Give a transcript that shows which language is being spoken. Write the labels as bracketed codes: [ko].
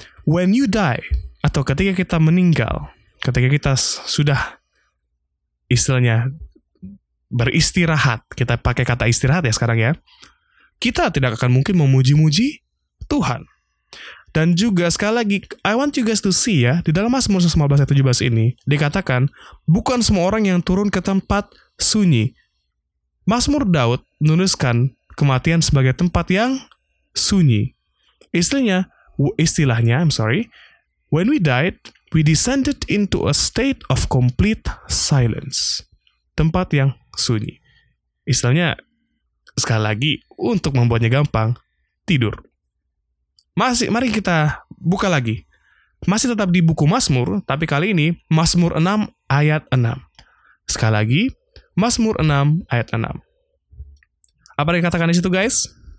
[en] When you die, [id] atau ketika kita meninggal, ketika kita sudah istilahnya beristirahat, kita pakai kata istirahat ya sekarang ya, kita tidak akan mungkin memuji-muji Tuhan. Dan juga sekali lagi, [en] I want you guys to see [id] ya, di dalam Mazmur 115 ayat 17 ini, dikatakan, bukan semua orang yang turun ke tempat sunyi. Mazmur Daud menuliskan kematian sebagai tempat yang sunyi. [en] Istilahnya, I'm sorry, when we died, we descended into a state of complete silence. [id] Tempat yang sunyi. Istilahnya, sekali lagi, untuk membuatnya gampang, tidur. Masih, mari kita buka lagi. Masih tetap di buku Mazmur, tapi kali ini Mazmur 6 ayat 6. Sekali lagi, Mazmur 6 ayat 6. Apa yang dikatakan di situ, guys?